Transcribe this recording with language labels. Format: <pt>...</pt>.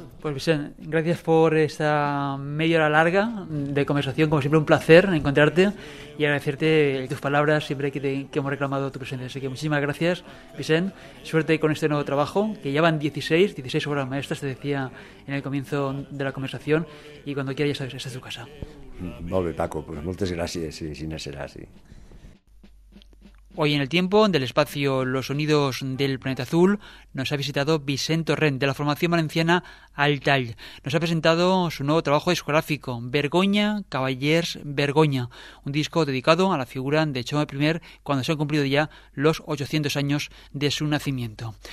<es>Pues Vicent, gracias por esta media hora larga de conversación. Como siempre, un placer encontrarte y agradecerte tus palabras siempre que hemos reclamado tu presencia. Así que muchísimas gracias, Vicent. Suerte con este nuevo trabajo, que ya van 16 obras maestras, te decía en el comienzo de la conversación. Y cuando quieras, ya sabes, esta es tu casa.</es> <ca>Molt bé, Paco, pues moltes gràcies, i si no serà, sí.</ca> <es>Hoy en el tiempo del espacio Los Sonidos del Planeta Azul nos ha visitado Vicent Torrent, de la formación valenciana Altall. Nos ha presentado su nuevo trabajo discográfico, Vergoña, Cavallers, Vergoña, un disco dedicado a la figura de Jaume I cuando se han cumplido ya los 800 años de su nacimiento.</es>